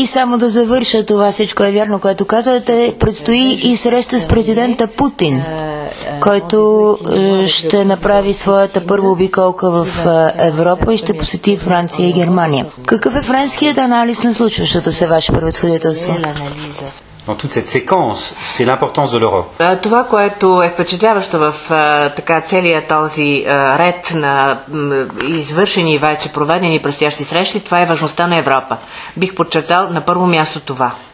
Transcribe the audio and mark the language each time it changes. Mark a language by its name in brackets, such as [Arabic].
[Bulgarian] И само да завърша, това всичко е вярно, което казвате, предстои и среща с президента Путин, който ще направи своята първа обиколка в Европа и ще посети Франция и Германия. Какъв е френският анализ на случващото се, ваше превъзходителство? [French] Dans toute cette séquence, c'est l'importance de l'Europe. [Bulgarian] Това, което е впечатляващо в така целия този ред на извършени и вече проведени предстоящи срещи, това е важността на Европа. Бих подчертал на първо място това.